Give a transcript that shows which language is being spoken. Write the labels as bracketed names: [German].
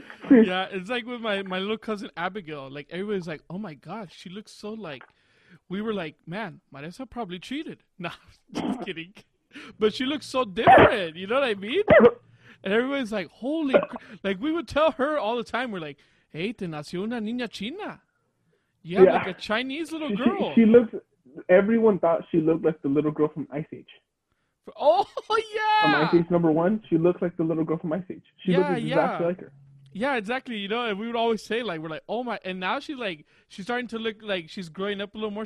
[English] Yeah, it's like with my little cousin Abigail. Like, everybody's like, oh my gosh, she looks so like... We were like, man, Marissa probably cheated. Nah, just kidding. But she looks so different. You know what I mean? And everybody's like, holy... Like, we would tell her all the time. We're like, hey, [Spanish] te nació una niña china. [English] Yeah, like a Chinese little girl. She looks... Everyone thought she looked like the little girl from Ice Age. Oh, yeah! From Ice Age number one, she looked like the little girl from Ice Age. She looked exactly like her. Yeah, exactly. You know, and we would always say, like, we're like, oh my, and now she's like, she's starting to look like she's growing up a little more.